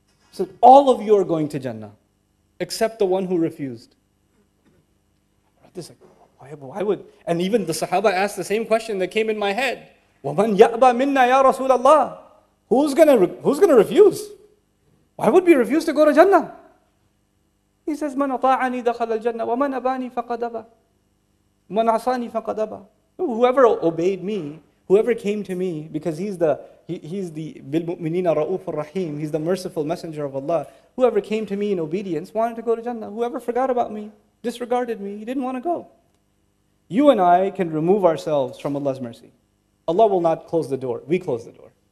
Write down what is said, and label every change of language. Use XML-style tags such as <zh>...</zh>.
<en>He said, all of you are going to Jannah, except the one who refused. Why would, and even the Sahaba asked the same question that came in my head,</en> <ar>وَمَنْ يَأْبَى مِنَّا يَا رَسُولَ اللَّهِ.</ar> <en>Who's gonna refuse? Why would we refuse to go to Jannah? He says,</en> <ar>مَنْ أَطَاعَنِي دَخَلَ الْجَنَّةِ وَمَنْ أَبَانِي فَقَدْ أَبَى وَمَنْ عَصَانِي فَقَدْ أَبَى.</ar> <en>Whoever obeyed me, whoever came to me, because he's the</en> <ar>بِالْمُؤْمِنِينَ رَؤُوفُ الرَّحِيمُ,</ar> <en>he's the merciful messenger of Allah. Whoever came to me in obedience wanted to go to Jannah. Whoever forgot about me, disregarded me, he didn't want to go. You and I can remove ourselves from Allah's mercy. Allah will not close the door. We close the door.</en>